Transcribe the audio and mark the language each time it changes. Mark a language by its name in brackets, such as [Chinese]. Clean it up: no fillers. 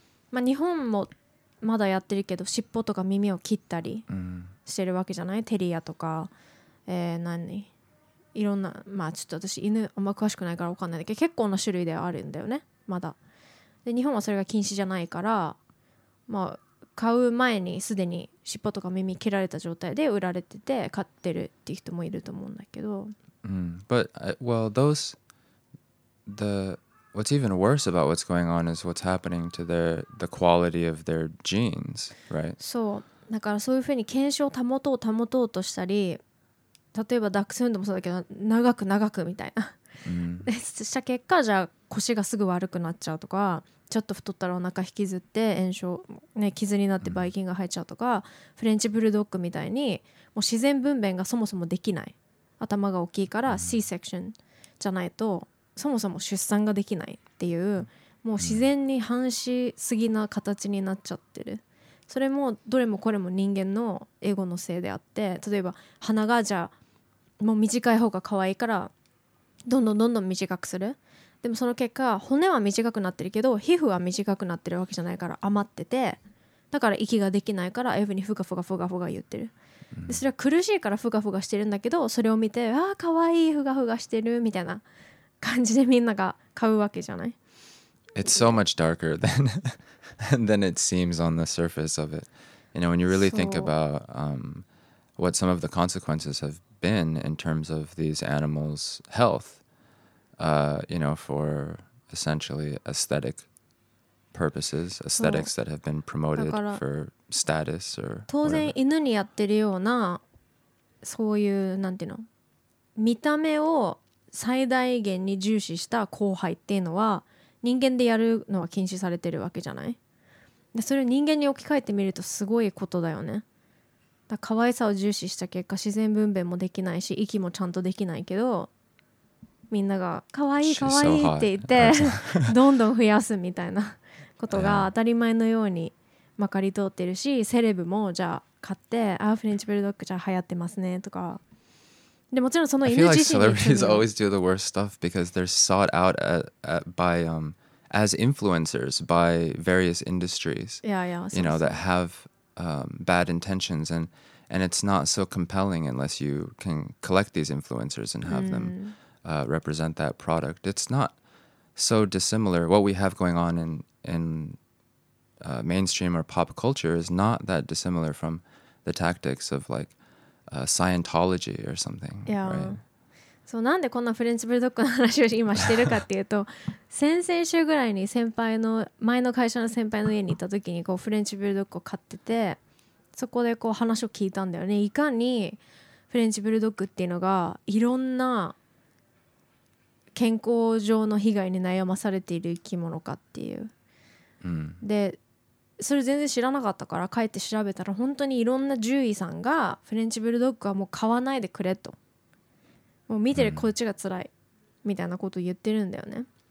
[Japanese] まあ日本もまだやってるけど、尻尾とか耳を切ったりしてるわけじゃない、テリアとか、何いろんな、まあちょっと私犬あんま詳しくないから分かんないんだけど、結構な種類ではあるんだよね、まだ。で日本はそれが禁止じゃないから、まあ買う前にすでに尻尾とか耳切られた状態で売られてて飼ってるっていう人もいると思うんだけど、 [English] But well, those the what's even worse about what's going on is what's happening to their the quality of their genes, right? [Japanese] そう、だからそういうふうに犬種を保とうとしたり、例えばダックスフンドもそうだけど長く長くみたいな、した結果じゃあ腰がすぐ悪くなっちゃうとか、ちょっと太ったらお腹引きずって炎症、ね、傷になってバイキンが入っちゃうとか、フレンチブルドッグみたいにもう自然分娩がそもそもできない、頭が大きいから C セクションじゃないとそもそも出産ができないっていう、もう自然に反しすぎな形になっちゃってる。それもどれもこれも人間のエゴのせいであって、例えば鼻がじゃあもう短い方が可愛いからどんどんどんどん短くする、でもその結果骨は短くなってるけど皮膚は短くなってるわけじゃないから余ってて、だから息ができないからエブにフガフガフガフガ言ってる、でそれは苦しいからフガフガしてるんだけど、それを見てあーかわいいフガフガしてるみたいな感じでみんなが買うわけじゃない。 [English] It's so much darker than it seems on the surface of it. You know, when you really think about what some of the consequences have been in terms of these animals' healthyou know, for essentially aesthetic purposes, aesthetics that have been promoted for status or [Japanese] 当然犬にやってるようなそういうなんていうの、見た目を最大限に重視した交配っていうのは人間でやるのは禁止されてるわけじゃない。でそれを人間に置き換えてみるとすごいことだよね。だから可愛さを重視した結果自然分娩もできないし息もちゃんとできないけど、みんながかわいいかわいいって言ってどんどん増やすみたいなことが当たり前のようにまかり通ってるし、セレブもじゃあ買って、あフレンチブルドッグじゃあ流行ってますねとか、でもちろんその犬自身に [English] I feel like celebrities always do the worst stuff because they're sought out by as influencers by various industries you know that have bad intentions and it's not so compelling unless you can collect these influencers and have themrepresent that product. It's not so dissimilar. What we have going on in mainstream or pop culture is not that dissimilar from the tactics of like Scientology or something. Yeah. Right? [Japanese] So, なんでこんなフレンチブルドッグの話を今してるかっていうと、先々週ぐらいに先輩の前の会社の先輩の家に行った時にこうフレンチブルドッグを買ってて、そこでこう話を聞いたんだよね。いかにフレンチブルドッグっていうのがいろんな健康上の被害に悩まされている生き物かっていう、でそれ全然知らなかったから帰って調べたら、本当にいろんな獣医さんがフレンチブルドッグはもう飼わないでくれと、もう見てるこっちが辛いみたいなことを言ってるんだよね。